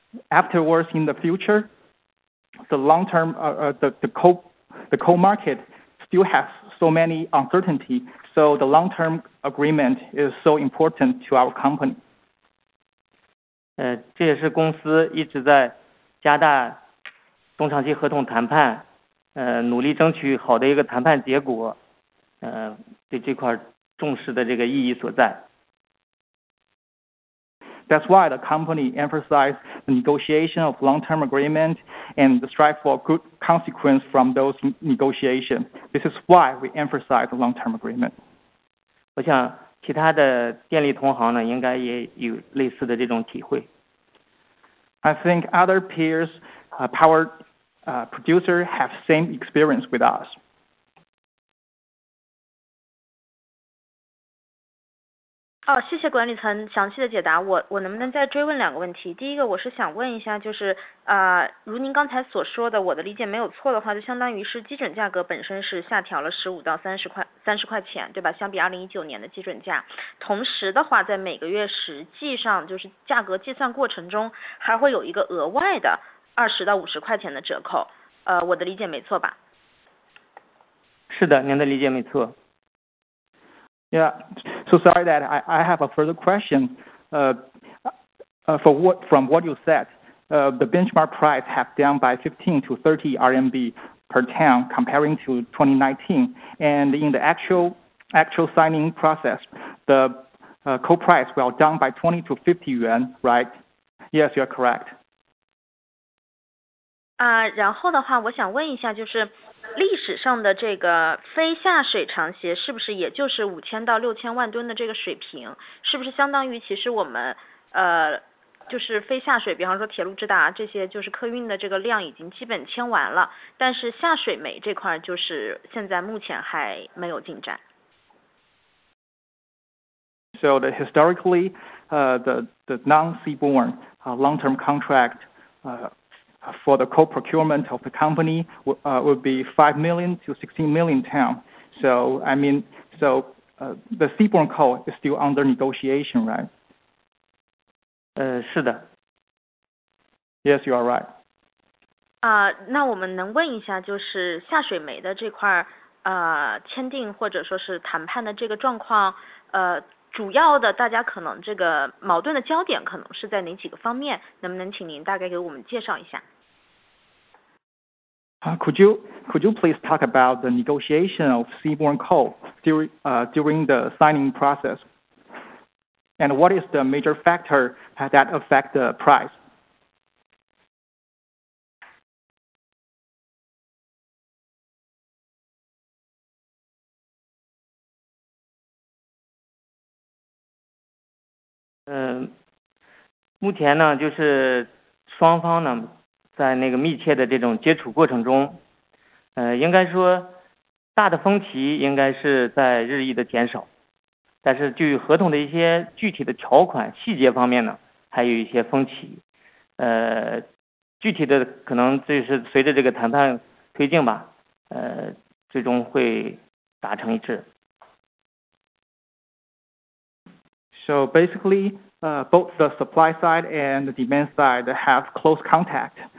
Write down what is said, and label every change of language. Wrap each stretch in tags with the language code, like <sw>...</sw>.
<en>Afterwards, in the future, the long-term, the coal market still has so many uncertainty. So the long-term agreement is so important to our company.</en> <zh>这也是公司一直在加大中长期合同谈判，努力争取好的一个谈判结果，对这块重视的这个意义所在。</zh> <en>That's why the company emphasized the negotiation of long-term agreement and the strive for good consequence from those negotiations. This is why we emphasize the long-term agreement.</en> <zh>我想其他的电力同行呢，应该也有类似的这种体会。</zh> <en>I think other peers, power producer have same experience with us.</en> <zh>哦，谢谢管理层详细的解答。我能不能再追问两个问题？第一个，我是想问一下，就是如您刚才所说的，我的理解没有错的话，就相当于是基准价格本身是下调了15到30块钱，对吧？相比2019年的基准价，同时的话，在每个月实际上就是价格计算过程中，还会有一个额外的20到50块钱的折扣。我的理解没错吧？是的，您的理解没错。</zh> <en>Yeah, so sorry that I have a further question. From what you said, the benchmark price have down by 15 to 30 RMB per ton comparing to 2019. And in the actual signing process, the coal price will down by 20 to 50 yuan, right? Yes, you're correct.</en> <zh>然后的话我想问一下就是历史上的这个非下水长协是不是也就是5000到6000万吨的这个水平，是不是相当于其实我们就是非下水，比方说铁路直达这些就是客运的这个量已经基本签完了，但是下水煤这块就是现在目前还没有进展。</zh> <en>So the historically, the non-seaborne, long-term contract, for the coal procurement of the company would be 5 million to 16 million ton. So the seaborne coal is still under negotiation, right?</en> <zh>是的。</zh> <en>Yes, you are right.</en> <zh>那我们能问一下就是下水煤的这块签订或者说是谈判的这个状况主要的大家可能这个矛盾的焦点可能是在哪几个方面，能不能请您大概给我们介绍一下？</zh> <en>Could you please talk about the negotiation of seaborne coal during the signing process? And what is the major factor that affect the price?</en> <zh>目前呢，就是双方呢在那个密切的这种接触过程中，应该说大的分歧应该是在日益的减少，但是据合同的一些具体的条款细节方面呢还有一些分歧，具体的可能就是随着这个谈判推进吧，最终会达成一致。</zh> <en>So basically, both the supply side and the demand side have close contact.</en>